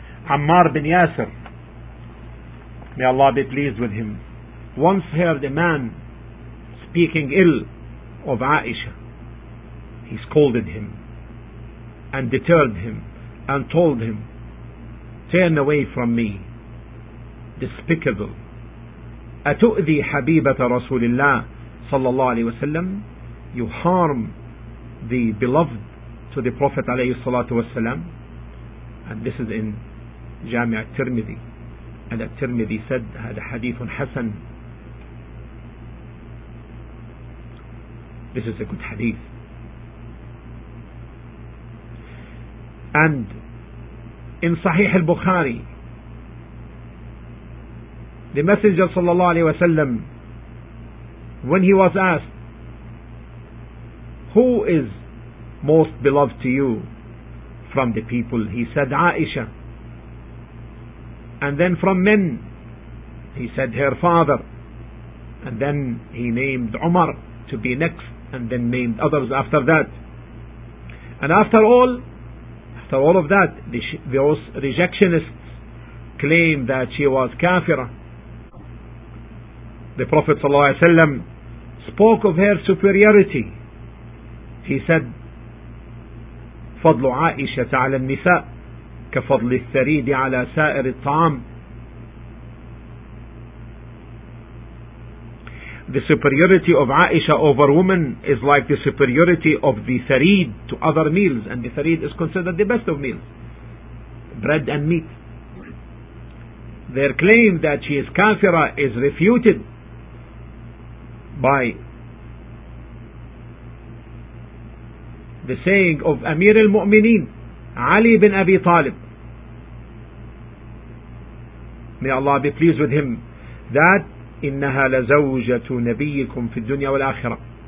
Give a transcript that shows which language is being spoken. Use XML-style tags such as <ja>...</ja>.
<en>Ammar bin Yasir, may Allah be pleased with him, once heard a man speaking ill of Aisha. He scolded him and deterred him and told him, turn away from me, despicable.</en> <ar>أتؤذي حبيبة رسول الله صلى الله عليه وسلم,</ar> <en>you harm the beloved to the Prophet</en> <ar>عليه الصلاة والسلام.</ar> <en>And this is in جامع الترمذي.</en> <ar>And الترمذي said, هذا حديث حسن.</ar> <en>This is a good hadith. And in Sahih al-Bukhari, the Messenger sallallahu alayhi wa sallam, when he was asked, who is most beloved to you from the people? He said, Aisha. And then from men, he said, her father. And then he named Umar to be next, and then named others after that. And after all of that, those rejectionists claim that she was kafira. The Prophet ﷺ spoke of her superiority.</en> <ar>He said, فضل عائشة على النساء كفضل الثريد على سائر الطعام.</ar> <en>The superiority of Aisha over women is like the superiority of the thareed to other meals, and the thareed is considered the best of meals, bread and meat. Their claim that she is kafira is refuted by the saying of Amir al-Mu'mineen, Ali bin Abi Talib, may Allah be pleased with him, that</en> <ar>إنها لزوجة نبيكم في الدنيا والآخرة.</ar>